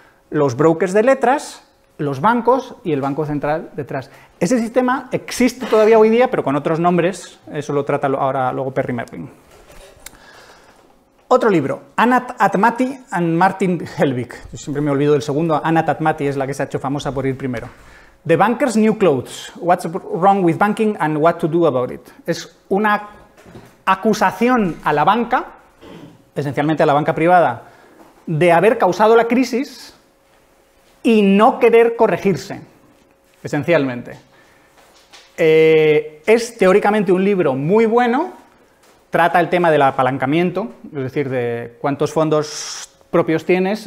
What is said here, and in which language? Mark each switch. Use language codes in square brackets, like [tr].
[es] Los brokers de letras, los bancos y el Banco Central detrás. Ese sistema existe todavía hoy día, pero con otros nombres. Eso lo trata ahora luego Perry Merlin. Otro libro, Anat Admati and Martin Helvig. Yo siempre me olvido del segundo. Anat Admati es la que se ha hecho famosa por ir primero. [en] The Banker's New Clothes, What's Wrong with Banking and What to Do About It. [es] Es una acusación a la banca, esencialmente a la banca privada, de haber causado la crisis y no querer corregirse, esencialmente. Es teóricamente un libro muy bueno. Trata el tema del apalancamiento, es decir, de cuántos fondos propios tienes.